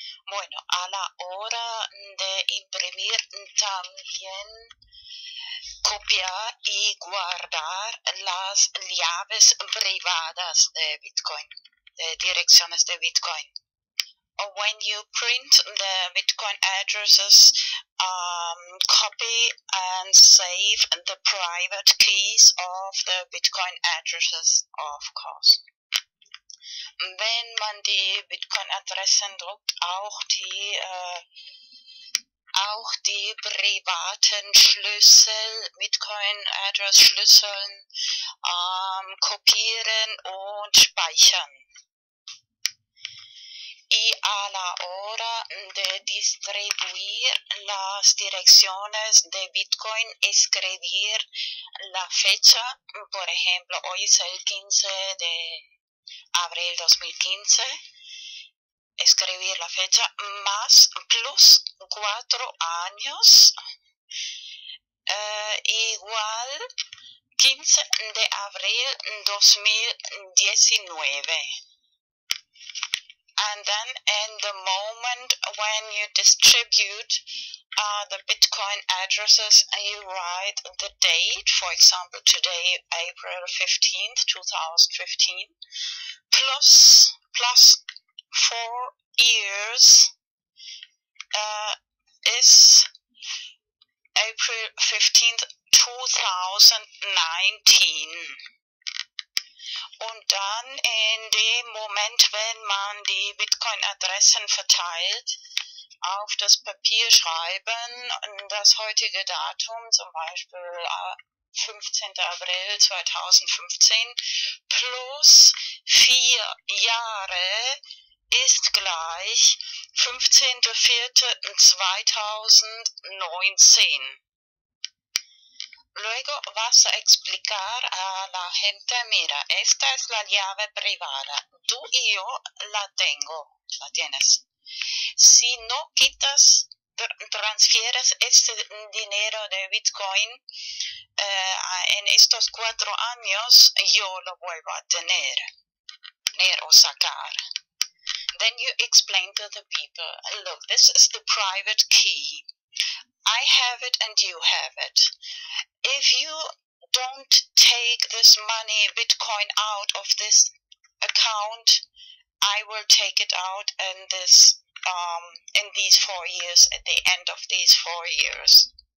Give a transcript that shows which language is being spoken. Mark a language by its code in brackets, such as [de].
[es] Bueno, a la hora de imprimir también copiar y guardar las llaves privadas de Bitcoin, de direcciones de Bitcoin. [en] When you print the Bitcoin addresses, copy and save the private keys of the Bitcoin addresses, of course. [de] Wenn man die Bitcoin-Adressen druckt, auch die privaten Schlüssel, Bitcoin-Address-Schlüsseln, kopieren und speichern. [es] Y a la hora de distribuir las direcciones de Bitcoin, escribir la fecha, por ejemplo, hoy es el 15 de abril 2015, escribir la fecha más plus 4 años igual 15 de abril 2019. [en] And then in the moment when you distribute the Bitcoin addresses, you write the date, for example today April 15th, 2015, plus 4 years is April 15th, 2019. [de] Und dann in dem Moment, wenn man die Bitcoin-Adressen verteilt, auf das Papier schreiben, das heutige Datum, zum Beispiel 15. April 2015, plus 4 Jahre, ist gleich 15.04.2019. [es] Luego vas a explicar a la gente, mira, esta es la llave privada. Tú y yo la tengo, la tienes. Si no quitas, transfieres este dinero de Bitcoin en estos 4 años, yo lo vuelvo a tener o sacar. [en] Then you explain to the people, look, this is the private key. I have it and you have it. If you don't take this money, Bitcoin, out of this account, I will take it out in this, in these 4 years, at the end of these 4 years.